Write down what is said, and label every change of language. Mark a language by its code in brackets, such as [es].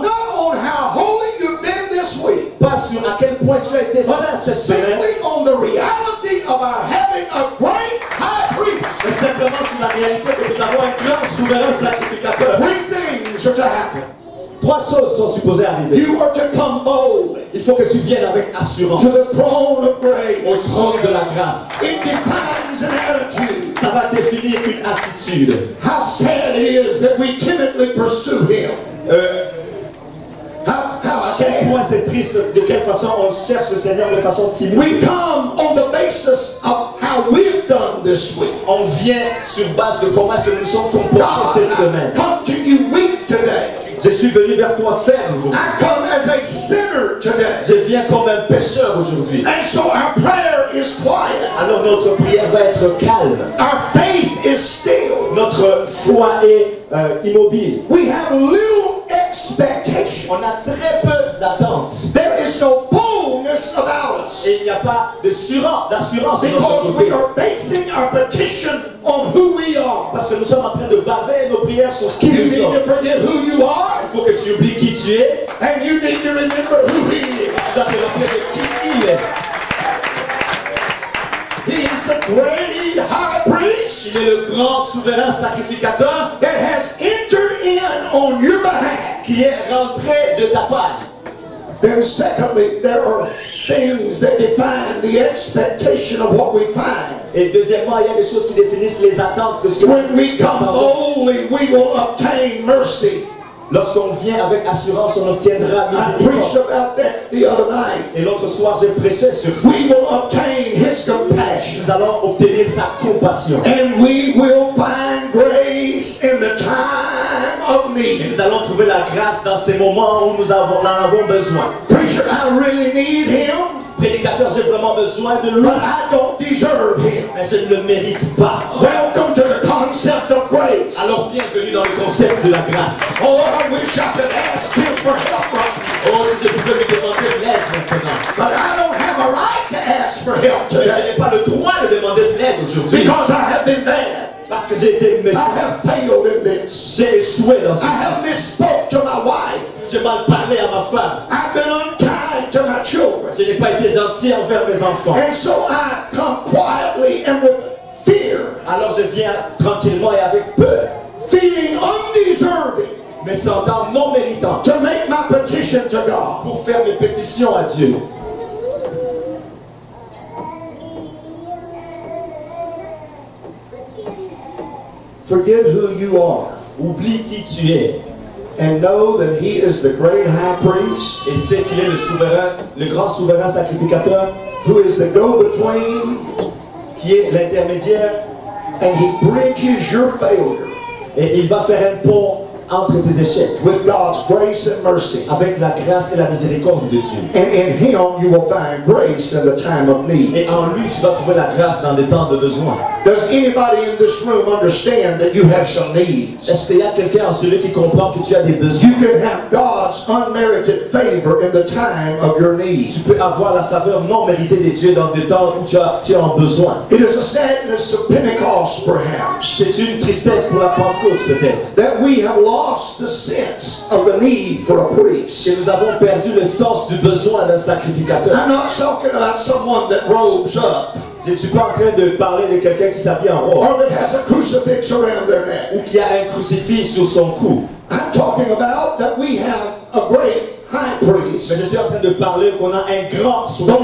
[en] Not on how holy you've been this week. [fr] Pas sur à quel point tu as été saint cette [en] simply [fr] semaine. [en] Simply on the reality of our having a great high priest. [fr] Mais simplement sur la réalité que nous avons un grand souverain sacrificateur. [en] Three things are to happen. [fr] Trois choses sont supposées arriver. [en] You are to come bold. [fr] Il faut que tu viennes avec assurance. [en] To the throne of grace. [fr] Au trône de la grâce. [en] It defines an attitude. [fr] Ça va définir une attitude. [en] How sad it is that we timidly pursue him. [fr] Pourquoi c'est triste de quelle façon on cherche le Seigneur de façon timide. [en] We come on the basis of how we've done this week. [fr] On vient sur base de comment est-ce que nous sommes comportés cette semaine. [en] I come to you weak today. [fr] Je suis venu vers toi faible aujourd'hui. [en] I come as a sinner today. [fr] Je viens comme un pécheur aujourd'hui. [en] And so our prayer is quiet. [fr] Alors notre prière va être calme. [en] Our faith is still. [fr] Notre foi est immobile. [en] We have little expectation. [fr] On a très peu d'attente. [en] There is no boldness about us. [fr] Et il n'y a pas d'assurance. [en] Because we are basing our petition on who we are. [fr] Parce que nous sommes en train de baser nos prières sur qui nous sommes. [en] You need to forget who you are. [fr] Il faut que tu oublies qui tu es. [en] And you need to remember who he is. [fr] Tu dois te rappeler qui il est. [en] He is the great high priest. [fr] Il est le grand souverain sacrificateur. [en] That has entered in on your behalf. [fr] Qui est rentré de ta part. [en] Then secondly, there are things that define the expectation of what we find. [fr] Et deuxièmement, il y a des choses qui définissent les attentes de ce que. [en] When we come boldly, we will obtain mercy. [fr] Lorsqu'on vient avec assurance, on obtiendra miséricorde. [en] I preached about that the other night. [fr] Et l'autre soir, j'ai prêché sur ça. [en] We will obtain his compassion. [fr] Nous allons obtenir sa compassion. [en] And we will find grace in the time of need. [fr] Et nous allons trouver la grâce dans ces moments où nous en avons besoin. [en] Preacher, I really need him. [fr] Prédicateur, j'ai vraiment besoin de lui. [en] But I don't deserve him. [fr] Mais je ne le mérite pas. [en] Welcome to the concept of grace. [fr] Alors bienvenue dans le concept de la grâce. [en] Oh, I wish I could ask him for help right now. [fr] Oh, si je pouvais lui demander l'aide maintenant. [en] But I don't have a right to ask for help today. [fr] Mais je n'ai pas le droit de demander de l'aide aujourd'hui. [en] Because I have been bad. [fr] Parce que j'ai été méchant. [en] I have failed in this. [fr] J'ai échoué dans ce [en] I have misspoke to my wife. [fr] J'ai mal parlé à ma femme. [en] I've been unkind to my children. [fr] Je n'ai pas été gentil envers mes enfants. [en] And so I come quietly and with fear. [fr] Alors je viens tranquillement et avec peur. [en] Feeling undeserving. [fr] Me sentant non méritant. [en] To make my petition to God. [fr] Pour faire mes pétitions à Dieu. [en] Forget who you are. [fr] Oublie qui tu es. [en] And know that he is the great high priest. [fr] Et sait qu'il est le souverain, le grand souverain sacrificateur. [en] Who is the go-between. [fr] Qui est l'intermédiaire. [en] And he bridges your failure. [fr] Et il va faire un pont entre tes échecs. [en] With God's grace and mercy. [fr] Avec la grâce et la miséricorde de Dieu. [en] And in him you will find grace in the time of need. [fr] Et en lui tu vas trouver la grâce dans les temps de besoin. [en] Does anybody in this room understand that you have some needs? [fr] Est-ce qu'il y a quelqu'un en celui qui comprend que tu as des besoins? [en] You can have God's unmerited favor in the time of your need. [fr] Tu peux avoir la faveur non méritée de Dieu dans des temps où tu as en besoin. [en] It is a sadness of Pentecost, perhaps. [fr] C'est une tristesse pour la Pentecôte, peut-être. [en] That we have lost the sense of the need for a priest. [fr] Que nous avons perdu le sens du besoin d'un sacrificateur. [en] I'm not talking about someone that robes up. [fr] Je ne suis pas en train de parler de quelqu'un qui s'habille en robe. [en] Or that has a crucifix around their neck. [fr] Ou qui a un crucifix sur son cou. [en] I'm talking about that we have a great high priest. [fr] Mais je suis en train de parler qu'on a un grand souverain.